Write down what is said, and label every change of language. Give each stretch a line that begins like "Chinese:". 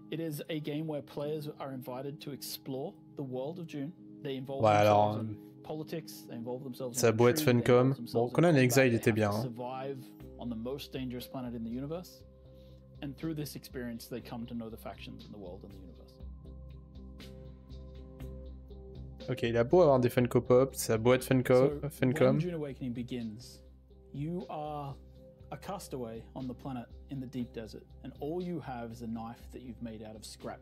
English: It is a game where players are invited to explore the world of Dune. They involve ouais, themselves alors, in politics. They involve themselves.
French: Ça boit Funcom. Bon, Conan Exile était bien. Hein.
English: Survive on the most dangerous planet in the universe, and through this experience, they come to know the factions in the world and the universe.
French: Ok, il a beau avoir des Funko Pop, ça a beau être Funko, Funcom.
English: When Dune Awakening begins, you are a castaway on the planet in the deep desert, and all you have is a knife that you've made out of scrap.